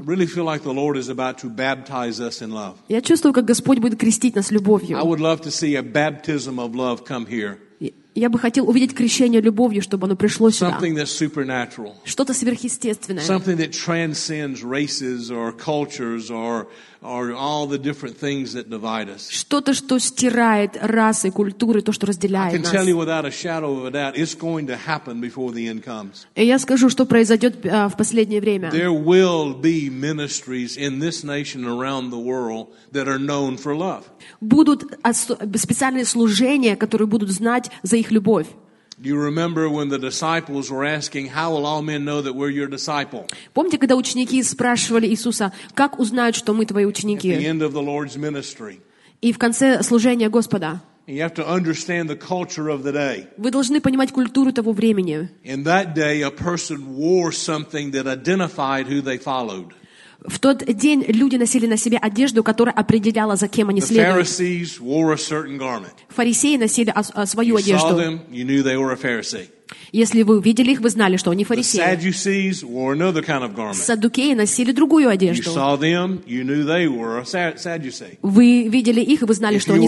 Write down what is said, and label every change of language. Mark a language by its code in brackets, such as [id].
[en] I really feel like the Lord is about to baptize us in love. [ru] Я чувствую, как Господь будет крестить нас любовью. [en] I would love to see a baptism of love come here. [ru] Я бы хотел увидеть крещение любовью, чтобы оно пришло сюда. [en] Something that's supernatural. [ru] Что-то сверхъестественное. [en] Something that transcends races or cultures or all the different things that divide us. [ru] Что-то, что стирает расы, культуры, то, что разделяет нас. [en] I can tell you without a shadow of a doubt, it's going to happen before the end comes. [ru] И я скажу, что произойдет в последнее время. [en] There will be ministries in this nation around the world that are known for love. [ru] Будут специальные служения, которые будут знать за их любовь. [en] You remember when the disciples were asking, "How will all men know that we're your disciple?" [ru] Помните, когда ученики спрашивали Иисуса, как узнают, что мы твои ученики? [en] At the end of the Lord's ministry. [ru] И в конце служения Господа. [en] You have to understand the culture of the day. [ru] Вы должны понимать культуру того времени. [en] In that day, a person wore something that identified who they followed. [ru] В тот день люди носили на себе одежду, которая определяла, за кем они следовали. Фарисеи носили свою одежду. [en] Them, you knew they were a Pharisee. [ru] Если вы увидели их, вы знали, что они фарисеи. Саддукеи носили другую одежду. Вы видели их, и вы знали, что они